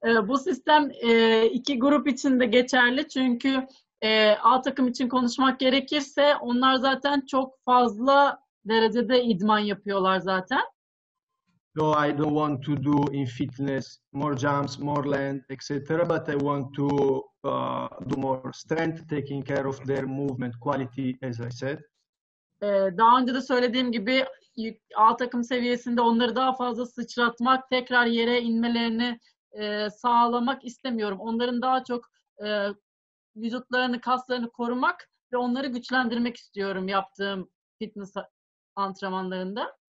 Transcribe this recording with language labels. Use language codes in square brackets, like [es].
[tr] Bu sistem iki grup için de geçerli çünkü A takım için konuşmak gerekirse onlar zaten çok fazla derecede idman yapıyorlar zaten. [en] No, I don't want to do in fitness more jumps, more land, etc. But I want to do more strength, taking care of their movement quality, as I said. [tr] Daha önce de söylediğim gibi A takım seviyesinde onları daha fazla sıçratmak, tekrar yere inmelerini sağlamak istemiyorum. Onların daha çok vücutlarını, kaslarını korumak ve onları güçlendirmek istiyorum yaptığım fitness antrenmanlarında.